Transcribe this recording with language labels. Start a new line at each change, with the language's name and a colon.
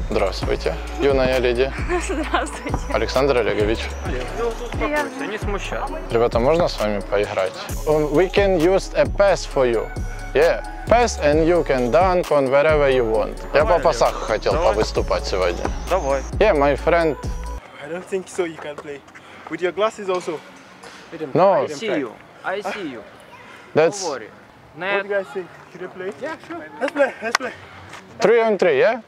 Russian: Здравствуйте, юная леди. Здравствуйте. Александр Олегович. Привет. Не смущай. Ребята, можно с вами поиграть?
English: We can use a pass for you. Yeah, pass and you can dunk on wherever you want.
Russian: Давай, я по пасах хотел повыступать сегодня. Давай.
English: Yeah, my friend. I don't think so, you can play. With your glasses also. No. I see you. I see you. That's... Don't worry. Net. What do you guys think? Can you play? Yeah, sure. Let's play, let's play. 3-on-3, yeah?